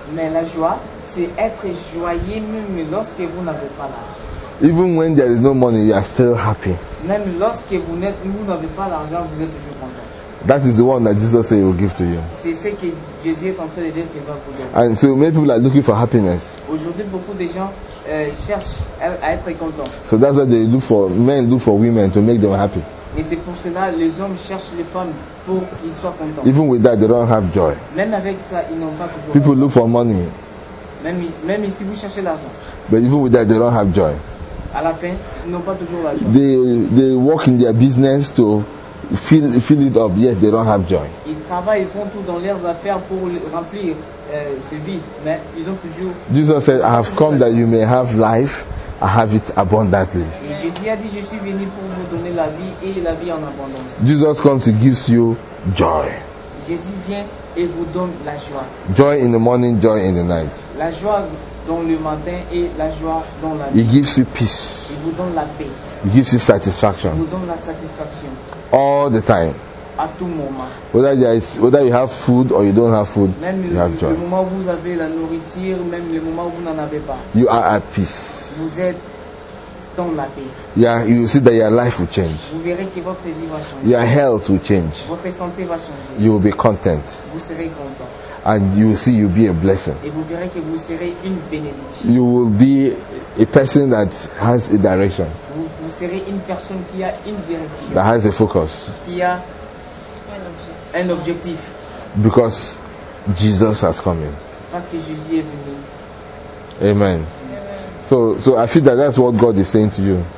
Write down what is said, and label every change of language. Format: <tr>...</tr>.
<fr>Mais la joie, c'est être joyeux même lorsque vous n'avez pas l'argent.</fr> <en>Even when there is no money, you are still happy.</en> <fr>Même lorsque vous n'êtes, vous n'avez pas l'argent, vous êtes toujours content.</fr> <en>That is the one that Jesus said he will give to you.</en> <fr>C'est ce que Jésus est en train de dire qu'il va vous donner.</fr> <en>And so many people are looking for happiness.</en> <fr>Aujourd'hui, beaucoup de gens cherchent à être contents.</fr> <en>So that's why they look for men, look for women to make them happy.</en> <fr>Et c'est pour cela les hommes cherchent les femmes pour qu'ils soient contents.</fr> <en>Even with that, they don't have joy.</en> <fr>Même avec ça, ils n'ont pas toujours.</fr> <en>People look for money.</en> <fr>Même ici, vous cherchez l'argent.</fr> <en>But even with that, they don't have joy.</en> <fr>À la fin, ils n'ont pas toujours la joie.</fr> <en>They work in their business to fill it up, yet they don't have joy.</en> <fr>Ils travaillent, ils font tout dans leurs affaires pour remplir ce vide, mais ils ont toujours.</fr> <en>Jesus said, "I have come that you may have life. I have it abundantly."</en> <fr>Jésus a dit, "Je suis venu pour vous donner la vie et la vie en abondance."</fr> <en>Jesus comes, he gives you joy.</en> <fr>Jésus vient et vous donne la joie.</fr> <en>Joy in the morning, joy in the night.</en> <fr>La joie dans le matin et la joie dans la nuit.</fr> <en>He gives you peace.</en> <fr>Il vous donne la paix.</fr> <en>He gives you satisfaction.</en> <fr>Il vous donne la satisfaction.</fr> <en>All the time.</en> <fr>À tout moment.</fr> <en>Whether you have food or you don't have food,</en> <fr>même</fr> <en>you have joy.</en> <fr>Le moment où vous avez la nourriture, même le moment où vous n'en avez pas.</fr> <en>You are at peace.</en> <fr>Vous êtes dans la paix.</fr> <en>Yeah, you see that your life will change.</en> <fr>Vous verrez que votre vie va changer.</fr> <en>Your health will change.</en> <fr>Votre santé va changer.</fr> <en>You will be content.</en> <fr>Vous serez content.</fr> <en>And you will see you'll be a blessing.</en> <fr>Et vous verrez que vous serez une bénédiction.</fr> <en>You will be a person that has a direction.</en> <fr>Vous serez une personne qui a une direction.</fr> <en>That has a focus.</en> <fr>Qui a un objectif.</fr> <en>Because Jesus has come in.</en> <fr>Parce que Jésus est venu.</fr> <en>Amen. So I feel that that's what God is saying to you.</en>